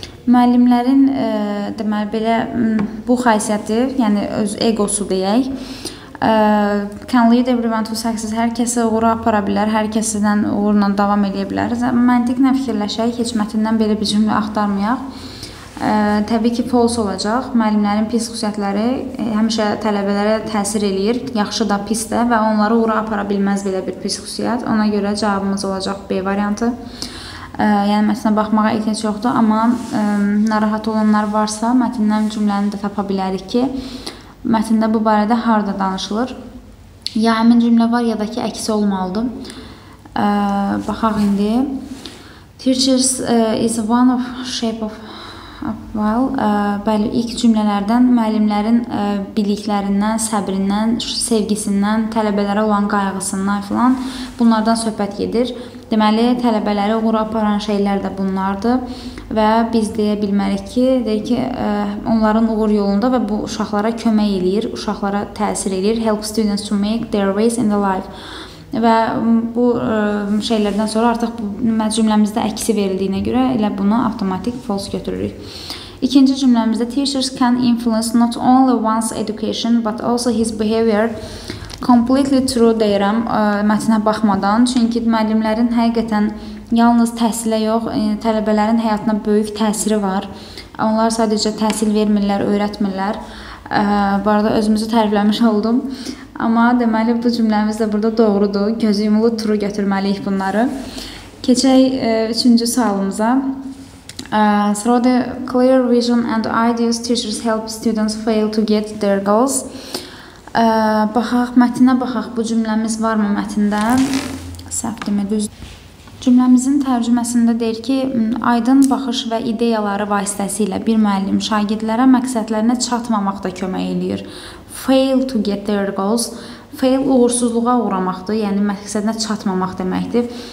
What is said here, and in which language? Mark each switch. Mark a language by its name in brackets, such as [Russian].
[Azerbaijani] Müəllimlərin deməli belə bu xasiyyəti, yəni öz egosu deyək, [English] can lead everyone to success, [Azerbaijani] hər kəsi uğura apara bilər, hər kəsindən uğurla davam edə bilər. Məntiqlə fikirləşək, heç mətindən belə bir cümlə axtarmayaq. Təbii ki, false olacaq. Müəllimlərin pis xüsusiyyətləri həmişə tələbələrə təsir eləyir, yaxşı da, pis də, və onları uğura apara bilməz belə bir pis xüsusiyyət. Ona görə cavabımız olacaq B variantı. Yəni mətnə baxmağa ehtiyac yoxdur, amma narahat olanlar varsa mətindən cümləni də tapa bilərik ki, mətində bu barədə harda danışılır. Ya həmin cümlə var, ya da ki, əksi olmalıdır. Baxaq indi. [English] Teachers is one of shape of well, [Azerbaijani] bəli, ilk cümlələrdən müəllimlərin biliklərindən, səbrindən, sevgisindən, tələbələrə olan qayğısından filan bunlardan söhbət gedir. Deməli, tələbələri uğura aparan şeylər də bunlardır və biz deyə bilmərik ki, deyir ki, onların uğur yolunda və bu uşaqlara kömək eləyir, uşaqlara təsir eləyir. [English] Help students to make their ways in the life. [Azerbaijani] Və bu şeylərdən sonra artıq cümləmizdə əksi verildiyinə görə elə bunu avtomatik false götürürük. İkinci cümləmizdə [English] teachers can influence not only one's education but also his behavior. Completely true [Azerbaijani] deyirəm mətnə baxmadan, çünki müəllimlərin həqiqətən yalnız təhsilə yox, tələbələrin həyatına böyük təsiri var. Onlar sadəcə təhsil vermirlər, öyrətmirlər. Bu arada özümüzü tərifləmiş oldum. Amma deməli bu cümləmiz də burada doğrudur. Gözü yumulu true götürməliyik bunları. Keçək üçüncü sualımıza. [English] Through the clear vision and ideas, teachers help students fail to get their goals. [Azerbaijani] Baxaq, mətinə baxaq, bu cümləmiz var mı mətində? Səhv demək, düz. Cümləmizin tərcüməsində deyir ki, aydın baxış və ideyaları vasitəsilə bir müəllim şagirdlərə məqsədlərinə çatmamaqda kömək eləyir. [English] Fail to get their goals. [Azerbaijani] Fail uğursuzluğa uğramaqdır, yəni məqsədinə çatmamaq deməkdir.